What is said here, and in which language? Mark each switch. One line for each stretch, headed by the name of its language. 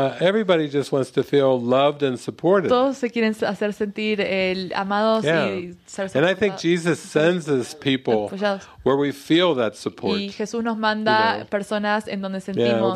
English: Everybody just wants to feel loved and supported.
Spanish: Todos se quieren hacer sentir amados y ser
English: And I think Jesus sends us people where we feel that support.
Spanish: Y Jesús nos manda personas en donde sentimos